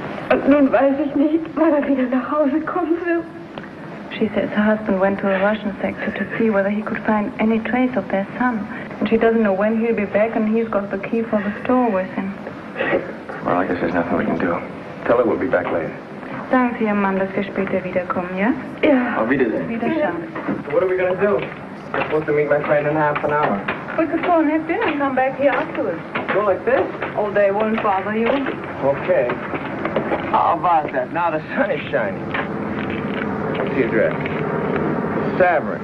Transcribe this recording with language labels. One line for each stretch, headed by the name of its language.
German: Und nun weiß ich nicht, wann er wieder nach Hause kommen will.
English: She says her husband went to the Russian sector to see whether he could find any trace of their son. And she doesn't know when he'll be back, and he's got the key for the store with him. Well, I guess there's nothing we can do. Tell her we'll be back later.
German: Sagen Sie Ihrem Mann, dass wir später wiederkommen, ja? Ja. Auf Wiedersehen. Wiedersehen.
English: What are we going to do? We're supposed to meet my friend in half an hour. We could go and have dinner and come back here afterwards. Go like this? All day won't bother you. Okay. How about that? Now the sun is shining. What's the address? Savory.